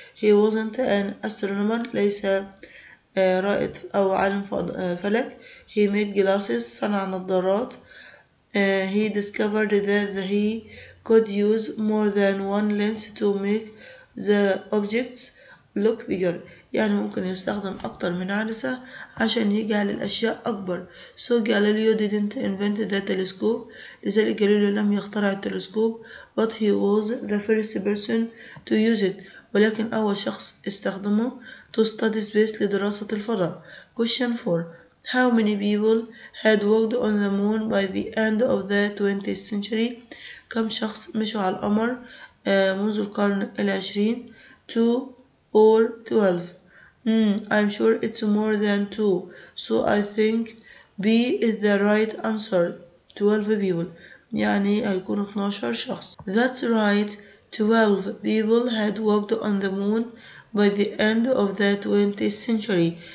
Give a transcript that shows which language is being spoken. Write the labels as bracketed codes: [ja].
[en] He wasn't an astronomer. [ar] ليس رائد أو عالم فلك. [en] He made glasses. [ar] صنع نظارات. [en] He discovered that he could use more than one lens to make the objects look bigger. [ar] يعني ممكن يستخدم أكتر من عدسة عشان يجعل الأشياء أكبر. [en] So Galileo didn't invent the telescope. [ar] لذلك جاليليو لم يخترع التلسكوب. [en] But he was the first person to use it. [ar] ولكن أول شخص استخدمه [en] to study space [ar] لدراسة الفضاء. [en] Question 4. How many people had walked on the moon by the end of the 20th century? [ar] كم شخص مشوا على القمر منذ القرن العشرين؟ 2 or 12. [en] I'm sure it's more than 2. So I think B is the right answer. 12 people. [ar] يعني هيكون 12 شخص. [en] That's right. 12 people had walked on the moon by the end of the 20th century.